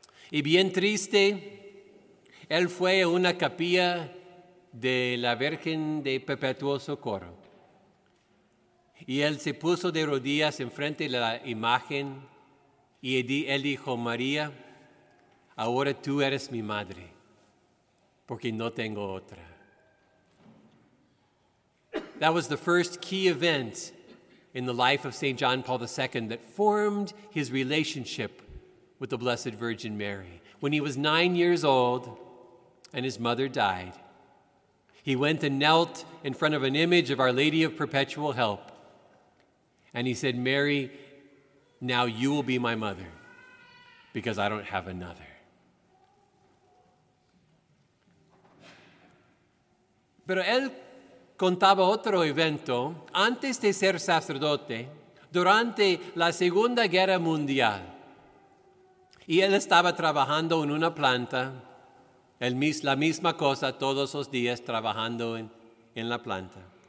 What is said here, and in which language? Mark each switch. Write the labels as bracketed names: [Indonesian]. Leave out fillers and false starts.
[Spanish] Y bien triste, él fue a una capilla de la Virgen de Perpetuo Socorro. Y él se puso de rodillas enfrente de la imagen y él dijo: María, ahora tú eres mi madre, porque no tengo otra. [English] That was the first key event in the life of St. John Paul II that formed his relationship with the Blessed Virgin Mary. When he was 9 years old and his mother died, he went and knelt in front of an image of Our Lady of Perpetual Help, and he said, Mary, now you will be my mother because I don't have another. [Spanish] Pero él contaba otro evento antes de ser sacerdote, durante la Segunda Guerra Mundial. Y él estaba trabajando en una planta, la misma cosa todos los días, trabajando en la planta.